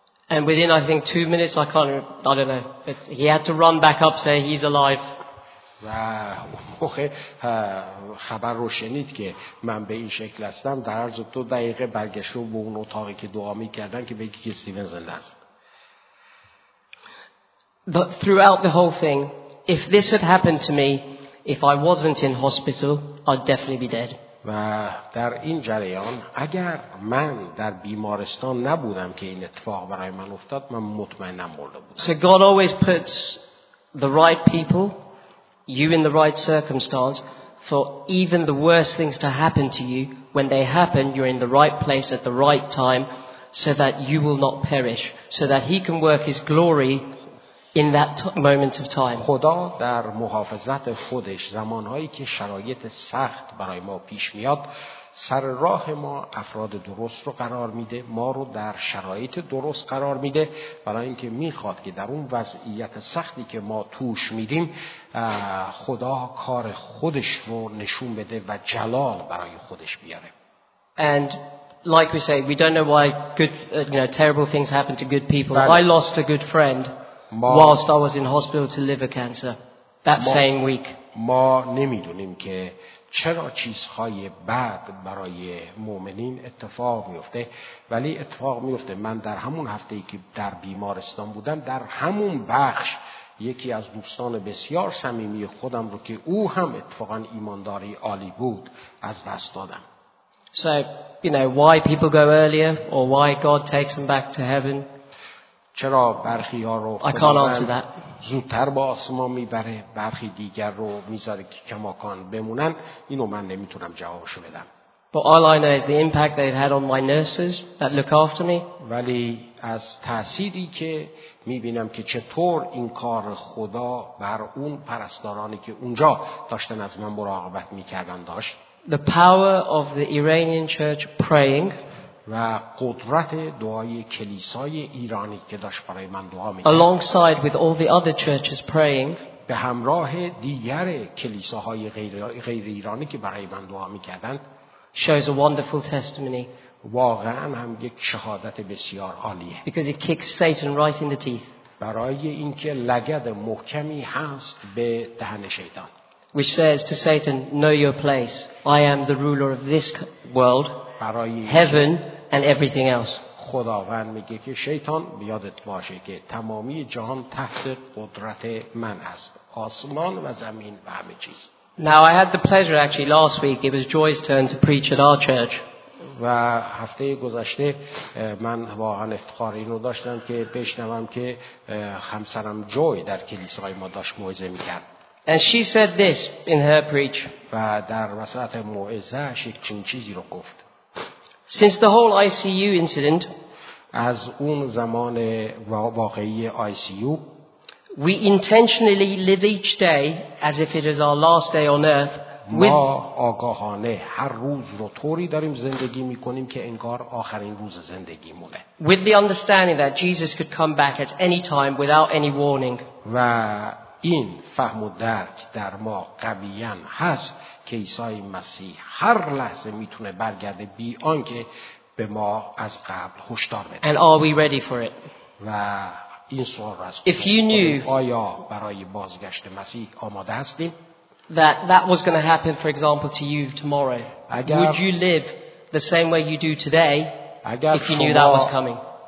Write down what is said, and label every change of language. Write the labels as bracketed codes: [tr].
[en] And within I think 2 minutes I don't know but he had to run back up say he's alive. [fa] و موقع خبر رو شنید که من به این شکل هستم، در عرض 2 دقیقه برگشت و به اون اتاقی که دعا می‌کردن که بگی که استیون زنده است. [en] But throughout the whole thing, if this had happened to me, if I wasn't in hospital, I'd definitely be dead. [fa] و در این جریان اگر من در بیمارستان نبودم که این اتفاق برای من افتاد، من مطمئنم مرده بودم. [en] So God always puts the right people, you in the right circumstance, for even the worst things to happen to you, when they happen, you're in the right place at the right time, so that you will not perish, so that he can work his glory in that moment of time. [fa] خدا در محافظت خودش زمانهایی که شرایط سخت برای ما پیش میاد سر راه ما افراد درست رو قرار میده، ما رو در شرایط درست قرار میده برای اینکه میخواد که در اون وضعیت سختی که ما توش میدیم خدا کار خودش رو نشون بده و جلال برای خودش بیاره. [en] And like we say, we don't know why good, you know, terrible things happen to good people. [fa] بله. [en] I lost a good friend whilst I was in hospital to liver cancer that same week. [fa] ما نمیدونیم که چرا چیزهای بد برای مؤمنین اتفاق میفته، ولی اتفاق میفته. من در همون هفته‌ای که در بیمارستان بودم در همون بخش یکی از دوستان بسیار صمیمی خودم رو که او هم اتفاقا ایمانداری عالی بود از دست دادم. [en] So, you know, why people go earlier or why God takes them back to heaven? [fa] چرا برخی ها رو زودتر با آسمان میبره برخی دیگر رو میذاره که کماکان بمونن اینو من نمیتونم جوابشو بدم. [en] But all I know is the impact they had on my nurses that look after me. [fa] ولی از تأثیری که میبینم که چطور این کار خدا بر اون پرستارانی که اونجا داشتن از من مراقبت میکردن داشت. [en] The power of the Iranian church praying [fa] و قدرت دعای کلیسای ایرانی که داشت برای من دعا می‌کرد. [en] Alongside with all the other churches praying [fa] به همراه دیگر کلیساهای غیر ایرانی که برای من دعا می‌کردند [en] shows a wonderful testimony. [fa] واقعا هم یک شهادت بسیار عالیه. [en] Because it kicks Satan right in the teeth. [fa] برای اینکه لگد محکمی هست به دهن شیطان. [en] Which says to Satan, know your place. I am the ruler of this world. Heaven and everything else. [fa] خداوند میگه که شیطان یادت باشه که تمامی جهان تحت قدرت من است. آسمان و زمین و همه چیز. [en] Now I had the pleasure actually last week it was Joy's turn to preach at our church. [fa] و هفته گذشته من واقعا افتخار اینو داشتم که بشنوم که همسرم جوی در کلیسای ما داشت موعظه میکرد. [en] And she said this in her preach. [fa] و در وسط موعظه اش یک چیزی رو گفت. [en] Since the whole ICU incident, [fa] از اون زمان واقعی ICU, [en] we intentionally live each day as if it is our last day on earth. [fa] ما آگاهانه هر روز رو طوری داریم زندگی میکنیم که انگار آخرین روز زندگیمونه. [en] With the understanding that Jesus could come back at any time without any warning. [fa] و این فهم و درک در ما قویاً هست که عیسی مسیح هر لحظه میتونه برگرده بی آنکه به ما از قبل هشدار بده. [en] And are we ready for it? [fa] و این سوال را از [en] If you knew [fa] آیا برای بازگشت مسیح آماده هستیم؟ [en] That was going to happen for example to you tomorrow. Would you live the same way you do today if you knew that was coming?